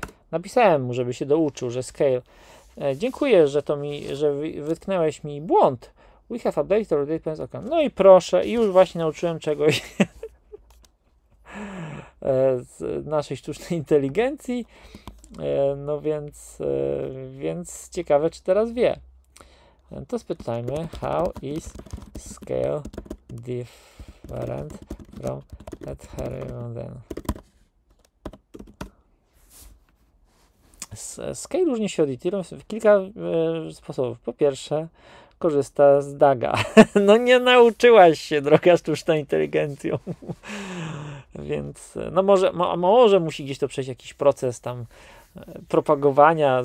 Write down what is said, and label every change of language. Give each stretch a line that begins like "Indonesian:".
Polish: Napisałem mu, żeby się douczył, że Scale. Dziękuję, że to mi, że wytknęłeś mi błąd.
English: We have updated our database account.
Polish: No i proszę, i już właśnie nauczyłem czegoś z naszej sztucznej inteligencji. No więc, ciekawe, czy teraz wie. To spytajmy,
English: how is scale different from Ethereum?
Polish: Scale różni się od Ethereum w kilka sposobów. Po pierwsze, korzysta z DAGa. No nie nauczyłaś się, droga sztuczna inteligencją. Więc, no może, może musi gdzieś to przejść jakiś proces tam propagowania.